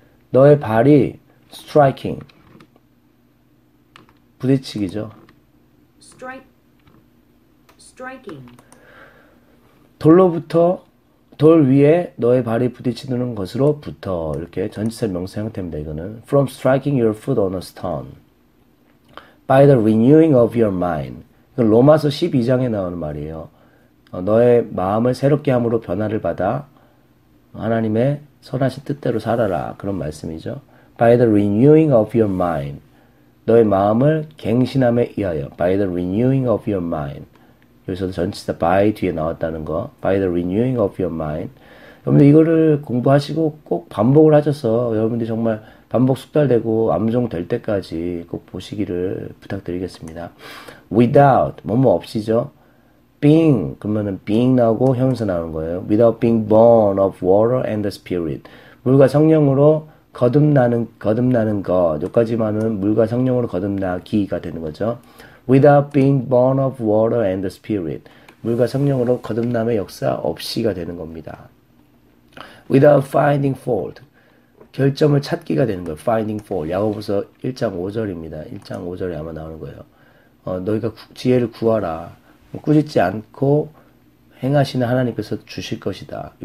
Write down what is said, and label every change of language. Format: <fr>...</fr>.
<ko>너의 발이 striking 부딪히기죠.</ko> <en>striking</en> <ko>돌로부터 돌 위에 너의 발이 부딪히는 것으로부터 이렇게 전치사 명사 형태입니다. 이거는</ko> <en>from striking your foot on a stone by the renewing of your mind.</en> <ko>이거 로마서 12장에 나오는 말이에요. 너의 마음을 새롭게 함으로 변화를 받아 하나님의 선하신 뜻대로 살아라. 그런 말씀이죠.</ko> <en>By the renewing of your mind.</en> <ko>너의 마음을 갱신함에 의하여.</ko> <en>By the renewing of your mind.</en> <ko>여기서도 전치사 by 뒤에 나왔다는 거.</ko> <en>By the renewing of your mind.</en> <ko>여러분들 이거를 공부하시고 꼭 반복을 하셔서 여러분들이 정말 반복 숙달되고 암송될 때까지 꼭 보시기를 부탁드리겠습니다.</ko> <en>Without,</en> <ko>뭐뭐 없이죠.</ko> <en>Being,</en> <ko>그러면은</ko> <en>being</en> <ko>나오고 형용사 나오는 거예요.</ko> <en>Without being born of water and the spirit.</en> <ko>물과 성령으로 거듭나는 것, 여기까지만은 물과 성령으로 거듭나기가 되는 거죠.</ko> <en>Without being born of water and the spirit.</en> <ko>물과 성령으로 거듭남의 역사 없이가 되는 겁니다.</ko> <en>Without finding fault.</en> <ko>결점을 찾기가 되는 거예요.</ko> <en>Finding fault.</en> <ko>야고보서 1장 5절입니다. 1장 5절에 아마 나오는 거예요. 너희가 지혜를 구하라. 꾸짖지 않고 행하시는 하나님께서 주실 것이다.</ko>